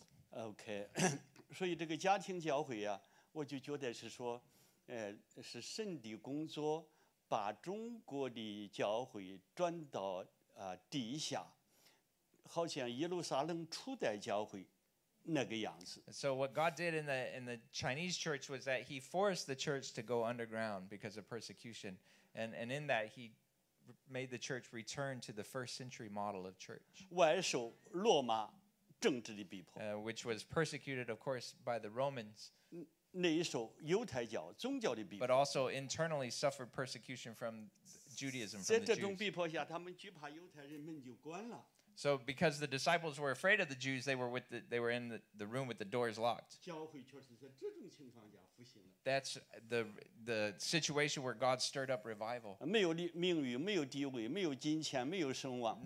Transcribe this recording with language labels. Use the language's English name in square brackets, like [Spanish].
[Chinese] OK 所以这个家庭教会、啊、我就觉得是说、是神的工作把中国的教会转到、地下好像耶路撒冷初代教会那个样子 [English] So what God did in the Chinese church was that he forced the church to go underground because of persecution and in that he made the church return to the first century model of church. [Chinese] 外受罗马政治的逼迫 [English] which was persecuted, of course, by the Romans. [Chinese] 内受犹太教宗教的逼迫 [English] but also internally suffered persecution from Judaism, from the Jews. [Chinese] 在这种逼迫下他们惧怕犹太人们就关了 [English] So because the disciples were afraid of the Jews, they were in the room with the doors locked. [Chinese] 教会确实在这种情况下复兴了 [English] That's the situation where God stirred up revival. [Chinese] 没有名誉，没有地位，没有金钱，没有声望。